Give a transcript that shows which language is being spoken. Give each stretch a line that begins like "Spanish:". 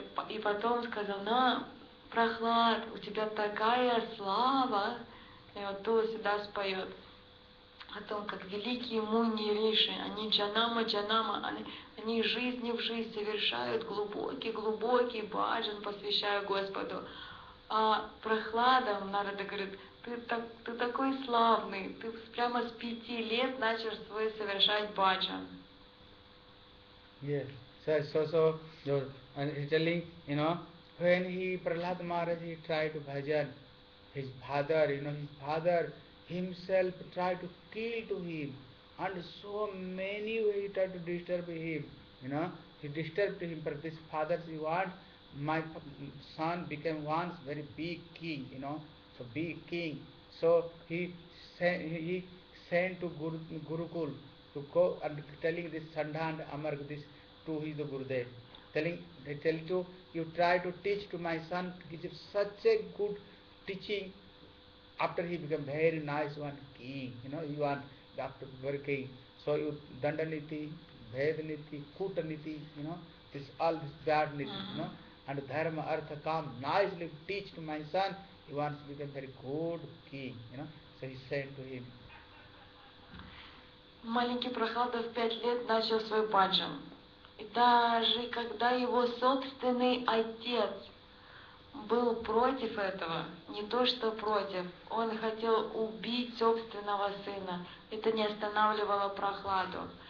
Russian: И потом сказал, на, Прохлад, у тебя такая слава, и вот Тула всегда споет о том, как великие муни риши, они джанама, джанама, они жизни в жизнь совершают глубокий баджан, посвящая Господу. А Прохлада, Нарада говорит, ты такой славный, ты прямо с 5 лет начал свой совершать баджан.
English: Yes, yeah. So, you know, when he, Prahlada Maharaj, he tried to bhajan, his father himself tried to kill to him, and so many ways he tried to disturb him, you know, he disturbed him, but this father, he wants, my son became once very big king, you know, so big king, so he sent to Gurukul to go and telling this Sandha and Amar, this to his Gurudev, telling to, you try to teach to my son, give him such a good teaching, after he become very nice one, king, you know, you are after very king. So you dandaniti, bhedaniti, kutaniti, you know, this all this badniti, you know, and dharma, artha, kam, nicely teach to my son, he wants to become very good king, you know, so he said to him.
Russian: Маленький Прохлада в 5 лет начал свой баджан. И даже когда его собственный отец был против этого, не то что против, он хотел убить собственного сына. Это не останавливало Прохладу.